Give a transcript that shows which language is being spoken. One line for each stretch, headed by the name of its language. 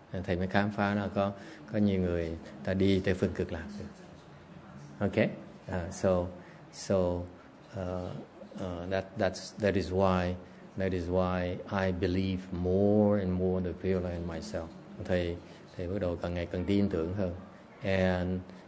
Vietnamese: And thầy mới khám phá là có nhiều người ta đi tới Phương Cực Lạc.
English: Okay, that is why I believe more and more in the Pure Land myself.
Vietnamese: Thầy bắt đầu càng ngày càng tin tưởng hơn.